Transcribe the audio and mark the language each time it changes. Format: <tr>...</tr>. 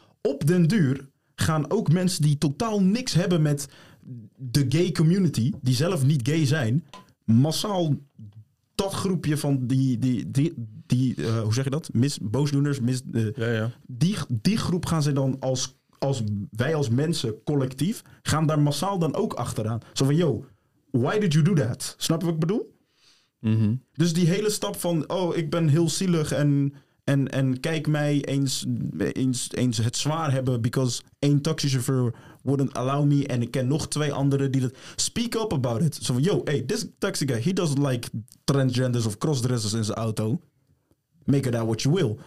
<nl>Op den duur gaan ook mensen die totaal niks hebben met de gay community, die zelf niet gay zijn, massaal dat groepje van die groep gaan ze dan als mensen collectief gaan daar massaal dan ook achteraan. Zo van,</nl> <en>yo, why did you do that?</en> <nl>Snap je wat ik bedoel? Mm-hmm. Dus die hele stap van, oh, ik ben heel zielig en kijk mij eens het zwaar hebben, because één taxichauffeur</nl> <en>wouldn't allow me</en> <nl>en ik ken nog twee anderen die dat...</nl> <en>Speak up about it.</en> <nl>Zo van,</nl> <en>yo, hey, this taxi guy, he doesn't like transgenders of crossdressers</en> <nl>in zijn auto.</nl> <en>Make it out what you will.</en>